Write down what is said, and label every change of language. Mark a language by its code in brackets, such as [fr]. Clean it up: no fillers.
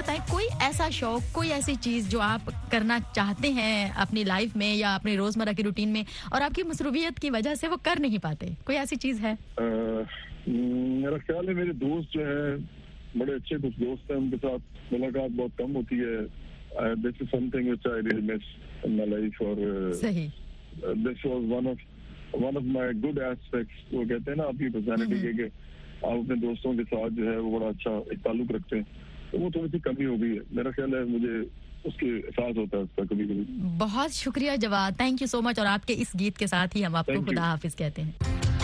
[ur] کوئی ایسا شوق, کوئی ایسی چیز جو آپ کرنا چاہتے ہیں اپنی لائف میں یا اپنی روزمرہ کی روٹین میں اور آپ کی مصروفیت کی وجہ سے وہ کر نہیں پاتے, کوئی ایسی چیز ہے؟ میرا خیال ہے میرے دوست جو ہیں بڑے اچھے کچھ دوست ہیں, ان کے ساتھ ملاقات بہت کم ہوتی ہے. [en] This is something which I really miss in my life or this was one of my good aspects. [ur] وہ کہتے ہیں نا آپ کی پرسنالٹی کے کہ آپ اپنے دوستوں کے ساتھ جو ہے وہ بڑا اچھا ایک تعلق رکھتے ہیں, وہ تھوڑی سی کمی ہو گئی ہے. میرا خیال ہے مجھے بہت شکریہ جواد, [en] Thank you so much. [ur] اور آپ کے اس گیت کے ساتھ ہی ہم آپ کو خدا حافظ کہتے ہیں.